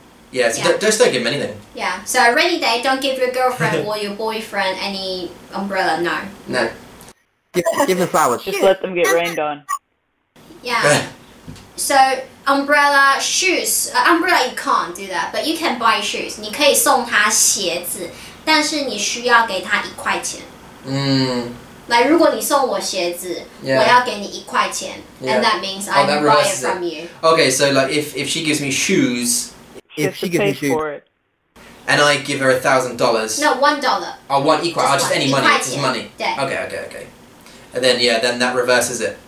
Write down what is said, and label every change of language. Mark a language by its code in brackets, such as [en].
[en] Yeah, so yeah. Just don't give him anything. Yeah, so a rainy day, don't give your girlfriend or your boyfriend any umbrella, no. No. Give them flowers. Just let them get rained on. Yeah. So, umbrella, shoes. Umbrella, you can't do that, but you can buy shoes. [zh] 你可以送他鞋子，但是你需要给他一块钱。 Like, 如果你送我鞋子、 [en] yeah. [zh] 我要给你一块钱、 [en] yeah. And that means I can buy it from you. Okay, so like, if she gives me shoes, If she gives me shoes, and I give her $1,000, no, $1. Oh, one equal, just, oh, just one. Any money, just money. Yeah. Okay. And then, yeah, then that reverses it.